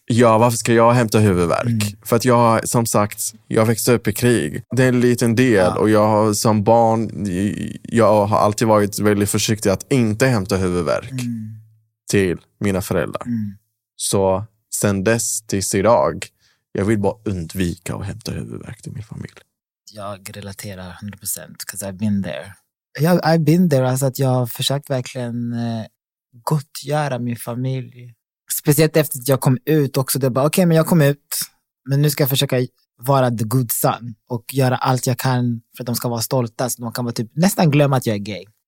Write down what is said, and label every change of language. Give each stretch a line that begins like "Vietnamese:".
Swedish: Ja, varför ska jag hämta huvudvärk? Mm. För att jag, som sagt, jag växte upp i krig. Det är en liten del och jag har som barn, jag har alltid varit väldigt försiktig att inte hämta huvudvärk till mina föräldrar. Mm. Så sen dess tills idag, jag vill bara undvika att hämta huvudvärk till min familj. Jag relaterar 100%
English: because I've been there. I've been there,
Swedish: alltså att jag har försökt verkligen gottgöra min familj. Speciellt efter att jag kom ut också. Det är bara, okej, men jag kom ut. Men nu ska jag försöka vara
English: the good son.
Swedish: Och göra allt jag kan för att de ska vara stolta. Så de kan vara typ, nästan glömma att jag är gay.